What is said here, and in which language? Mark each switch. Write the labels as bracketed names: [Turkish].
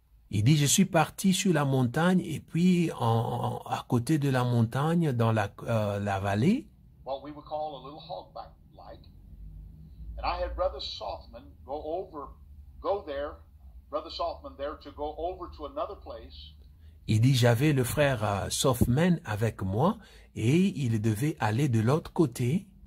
[French] Il dit, je suis parti sur la montagne et puis à côté de la montagne, dans la vallée. [English] What we would call a little hogback-like. And I had Brother Softman go there, Brother Softman there to go over to another place. [French] Il dit, j'avais le frère Softman avec moi et il devait aller de l'autre côté.